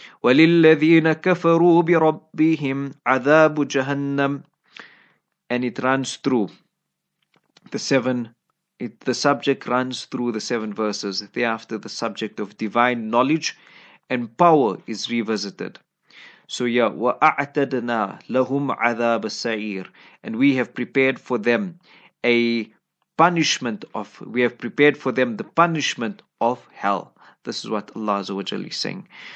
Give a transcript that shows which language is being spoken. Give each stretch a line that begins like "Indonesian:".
Arabic: وَلِلَّذِينَ كَفَرُوا بِرَبِّهِمْ عَذَابُ جَهَنَّمْ.
English: And it runs through the seven, the subject runs through the seven verses. Thereafter, the subject of divine knowledge and power is revisited. So yeah,
Arabic: وَأَعْتَدْنَا لَهُمْ عَذَابَ السَّعِيرِ.
English: And we have prepared for them a punishment of, we have prepared for them the punishment of hell. This is what Allah Azza wa Jalla is saying.